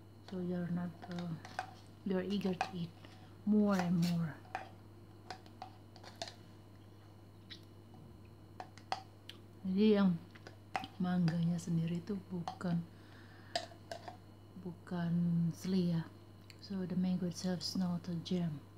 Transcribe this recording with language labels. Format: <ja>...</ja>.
<en>So you're not, you're eager to eat more and more.</en> <id>Jadi yang mangganya sendiri itu bukan seli ya.</id> <en>So the mango itself is not a jam.</en>